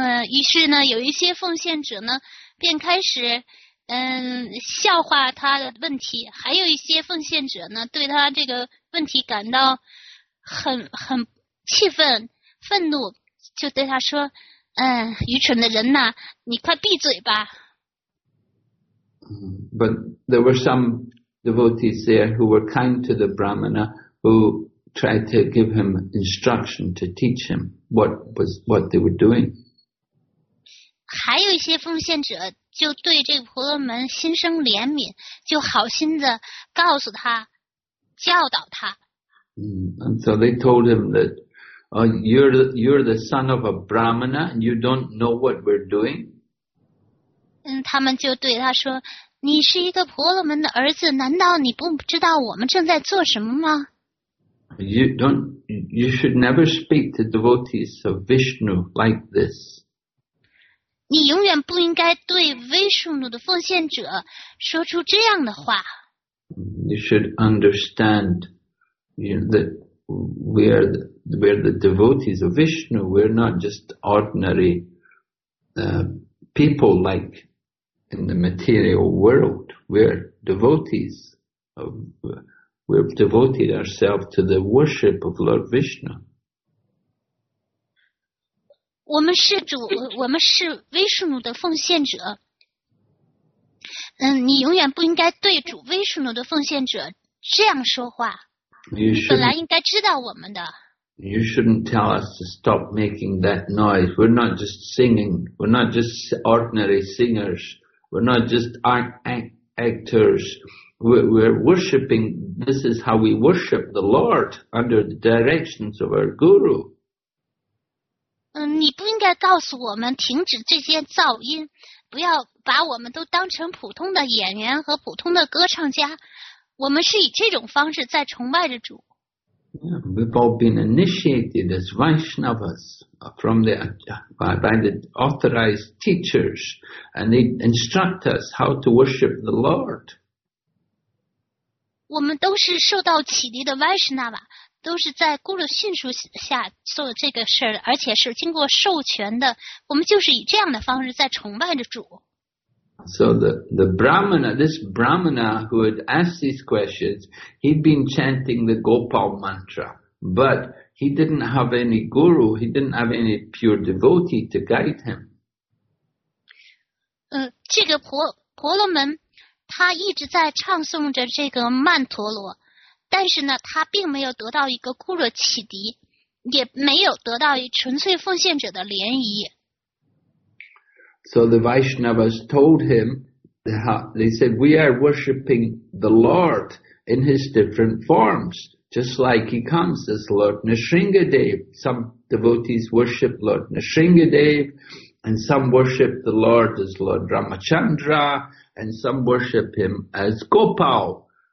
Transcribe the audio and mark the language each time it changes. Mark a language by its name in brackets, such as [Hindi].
[Chinese] 于是呢，有一些奉献者呢，便开始笑话他的问题，还有一些奉献者呢，对他这个问题感到很气愤、愤怒，就对他说，愚蠢的人呐，你快闭嘴吧。 [English] But there were some devotees there who were kind to the Brahmana, who tried to give him instruction to teach him what they were doing. [Chinese] 还有一些奉献者就对这个婆罗门心生怜悯，就好心的告诉他，教导他。 [English] And so they told him that, you're the son of a Brahmana, and you don't know what we're doing. [Chinese] 他们就对他说，你是一个婆罗门的儿子，难道你不知道我们正在做什么吗？ [English] You should never speak to devotees of Vishnu like this. [Chinese] 你永远不应该对威士努的奉献者说出这样的话。 [English] You should understand, you know, that we're the devotees of Vishnu. We're not just ordinary people like in the material world. We're devotees. We've devoted ourselves to the worship of Lord Vishnu. [Chinese] 我们是主，我们是威士努的奉献者。你永远不应该对主威士努的奉献者这样说话。你本来应该知道我们的。 [English] You shouldn't tell us to stop making that noise. We're not just singing. We're not just ordinary singers. We're not just actors. We're worshipping. This is how we worship the Lord under the directions of our guru. [Chinese] 你不应该告诉我们停止这些噪音，不要把我们都当成普通的演员和普通的歌唱家。我们是以这种方式在崇拜着主。 [English] Yeah, we've all been initiated as Vaishnavas by the authorized teachers, and they instruct us how to worship the Lord. [Chinese] 我们都是受到启迪的 Vaishnava， 都是在 Guru 训述下做这个事儿，而且是经过授权的，我们就是以这样的方式在崇拜着主。 [English] So the Brahmana, this Brahmana who had asked these questions, he'd been chanting the Gopal mantra, but he didn't have any guru, he didn't have any pure devotee to guide him. [Chinese] 这个婆罗门他一直在唱诵着这个曼陀罗，但是呢他并没有得到一个guru启迪，也没有得到一纯粹奉献者的联谊。 [English] So the Vaishnavas told him, they said, we are worshipping the Lord in his different forms, just like he comes as Lord Nrisimhadev. Some devotees worship Lord Nrisimhadev, and some worship the Lord as Lord Ramachandra, and some worship him as Gopal.